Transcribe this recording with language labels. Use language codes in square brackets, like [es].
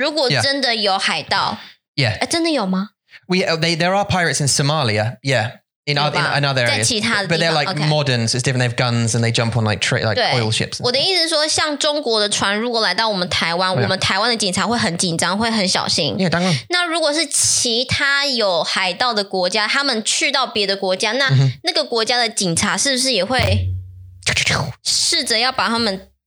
[zh] 他们会射他们。现在吗？没有海盗，Sweetie。现在问了没有？我的意思是说，如果真的有海盗，真的有吗？ [en] There are pirates in Somalia, yeah. In other areas, but they're like modern, so it's different. They have guns and they jump on like oil ships. [zh] 我的意思是说，像中国的船如果来到我们台湾，我们台湾的警察会很紧张，会很小心。 [en] Yeah, [zh] 当然。那如果是其他有海盗的国家，他们去到别的国家，那那个国家的警察是不是也会试着要把他们？